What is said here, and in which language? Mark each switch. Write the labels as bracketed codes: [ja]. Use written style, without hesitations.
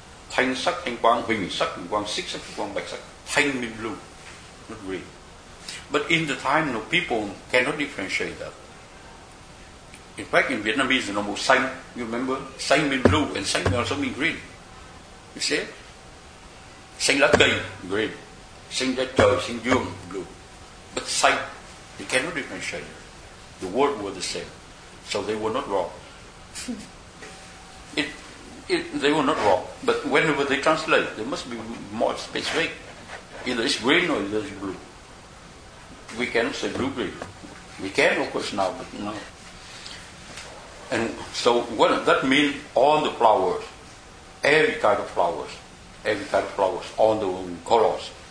[vi] Thanh sắc thanh quang huỳnh sắc huỳnh quang xích sắc huỳnh quang bạch sắc thanh minh [en] blue, not green. But in the time, no, people cannot differentiate that. In fact, in Vietnamese, no, xanh, you remember, xanh mean blue and xanh also mean green. You see, [vi] xanh lá cây [en] green, [vi] xanh lá trời xanh dương [en] blue, but xanh, you cannot differentiate. The word were the same, so they were not wrong. They were not wrong, but whenever they translate, they must be more specific. Either it's green or it's blue. We cannot say blue-green. We can, of course, now, but no. And so what that means, all the flowers, every kind of flowers, all the colors.